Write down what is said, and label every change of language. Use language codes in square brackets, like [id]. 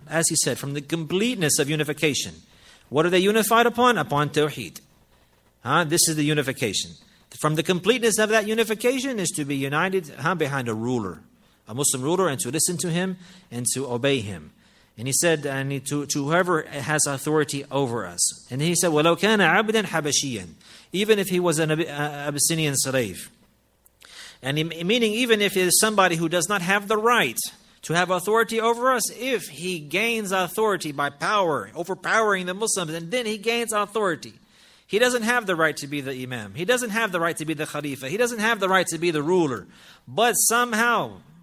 [en] As he said, from the completeness of unification. What are they unified upon? Upon Tawheed. This is the unification. From the completeness of that unification is to be united behind a ruler, a Muslim ruler, and to listen to him and to obey him. And he said, to whoever has authority over us. And he said, [ar] وَلَوْ كَانَ عَبْدًا حَبَشِيًّا. [en] Even if he was an Abyssinian slave. And meaning even if he is somebody who does not have the right to have authority over us, if he gains authority by power, overpowering the Muslims, and then he gains authority. He doesn't have the right to be the imam. He doesn't have the right to be the khalifa. He doesn't have the right to be the ruler. But somehow,